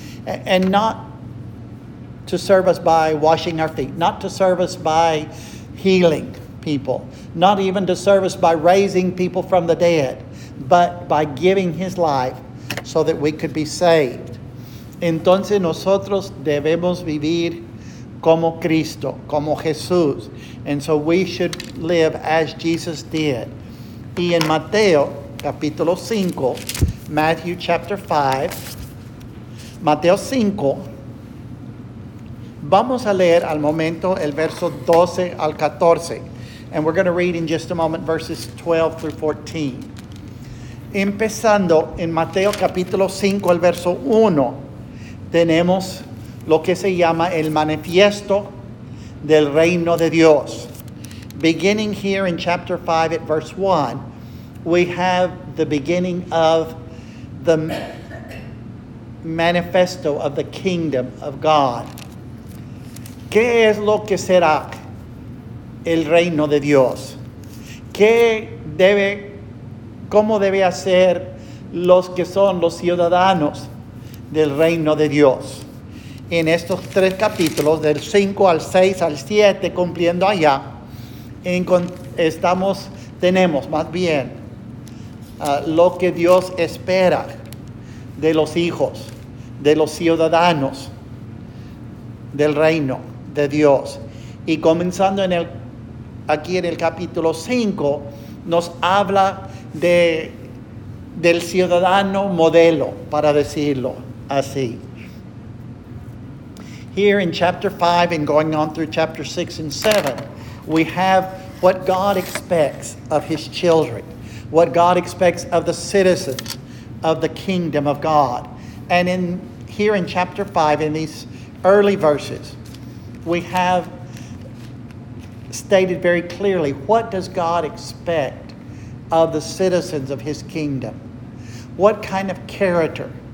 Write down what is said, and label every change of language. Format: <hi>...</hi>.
<en>And not to serve us by washing our feet. Not to serve us by healing people. Not even to serve us by raising people from the dead. But by giving his life so that we could be saved.</en> <es>Entonces nosotros debemos vivir como Cristo, como Jesús.</es> <en>And so we should live as Jesus did.</en> <es>Y en Mateo, capítulo 5,</es> <en>Matthew chapter 5,</en> <es>Mateo 5, vamos a leer al momento el verso 12 al 14,</es> <en>and we're going to read in just a moment verses 12 through 14.</en> <es>Empezando en Mateo capítulo 5, el verso 1, tenemos lo que se llama el manifiesto del reino de Dios.</es> <en>Beginning here in chapter 5 at verse 1, we have the beginning of the manifesto of the kingdom of God.</en> <es>¿Qué es lo que será el reino de Dios? ¿Cómo debe hacer los que son los ciudadanos del reino de Dios? En estos tres capítulos, del 5 al 6 al 7, cumpliendo allá, tenemos más bien lo que Dios espera de los hijos, de los ciudadanos del reino de Dios. Y comenzando aquí en el capítulo 5, nos habla del ciudadano modelo, para decirlo así.</es> <en>Here in chapter 5 and going on through chapter 6 and 7, we have what God expects of his children. What God expects of the citizens of the kingdom of God. And here in chapter 5, in these early verses, we have stated very clearly, what does God expect of the citizens of his kingdom? What kind of character</en>